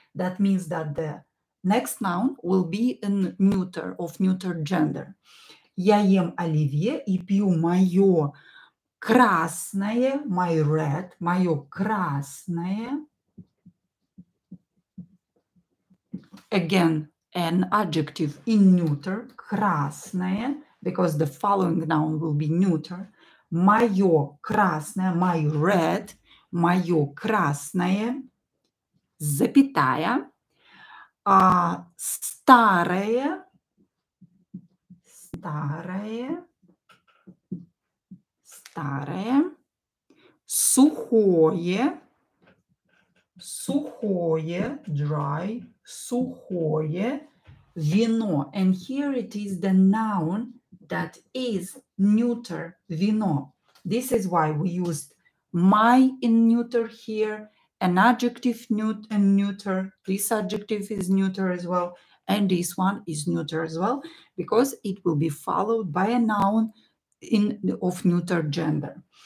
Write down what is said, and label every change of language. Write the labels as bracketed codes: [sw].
[en] That means that the next noun will be a neuter of neuter gender. [ru] Я ем оливье и пью моё красное, [en] my red, [ru] моё красное. [en] Again, an adjective in neuter, красное, because the following noun will be neuter. [ru] Моё красное, [en] my red, [ru] моё красное, запятая, старое, сухое, dry, сухое вино. [en] And here it is the noun that is neuter, вино. This is why we used my in neuter here, an adjective neuter. This adjective is neuter as well. And this one is neuter as well, because it will be followed by a noun in of neuter gender.